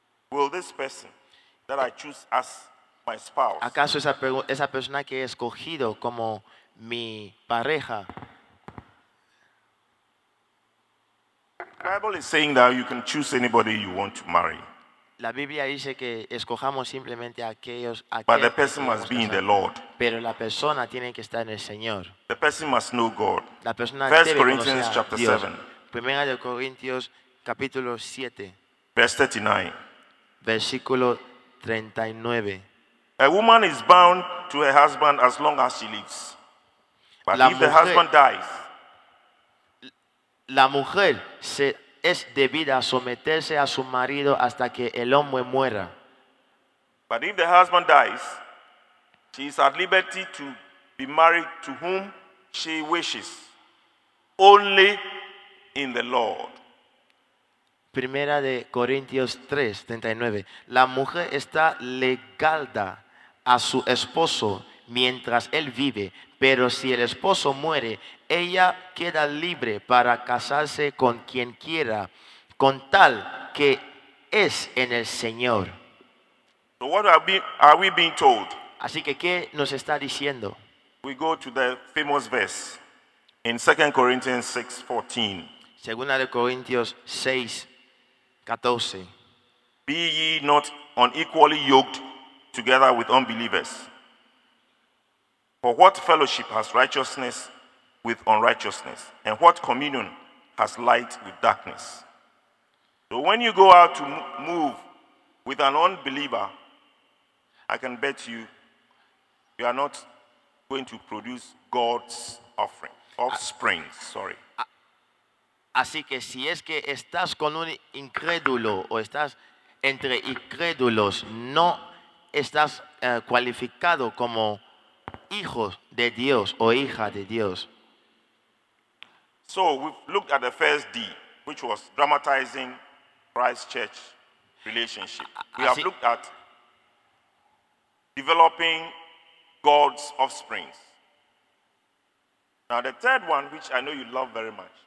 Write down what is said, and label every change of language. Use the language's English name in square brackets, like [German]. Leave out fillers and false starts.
[English] Will this person that I choose as my spouse? [Spanish] ¿Acaso esa persona que he escogido como mi pareja? [English] The Bible is saying that you can choose anybody you want to marry. [Spanish] La Biblia dice que escojamos simplemente [English] but the person must be in the Lord. [Spanish] Pero la persona tiene que estar en el Señor. [English] The person must know God. [Spanish] La persona [English] First [Spanish] debe [English] Corinthians [Spanish] conocer [English] chapter [Spanish] Dios. [English] 7. [Spanish] Primera de Corintios capítulo 7. [English] Verse 39. [Spanish] Versículo 39. [English] A woman is bound to her husband as long as she lives. But if the husband dies. [Spanish] La mujer se es debida someterse a su marido hasta que el hombre muera. [English] But if the husband dies, she is at liberty to be married to whom she wishes, only in the Lord. [Spanish] Primera de Corintios 3, 39. La mujer está legalda a su esposo mientras él vive, pero si el esposo muere, ella queda libre para casarse con quien quiera, con tal que es en el Señor. [English] So what are we being told? [Spanish] Así que, ¿qué nos está diciendo? [English] We go to the famous verse in 2 Corinthians 6, 14. [Spanish] Segunda de Corintios 6, 14. [English] Be ye not unequally yoked together with unbelievers. For what fellowship has righteousness with unrighteousness? And what communion has light with darkness? So when you go out to move with an unbeliever, I can bet you, you are not going to produce God's offspring. Sorry. [Spanish] Así que si es que estás con un incrédulo o estás entre incrédulos, no estás cualificado como hijo de Dios o hija de Dios. [English] So we've looked at the first D, which was dramatizing Christ Church relationship. We have looked at developing God's offsprings. Now the third one, which I know you love very much.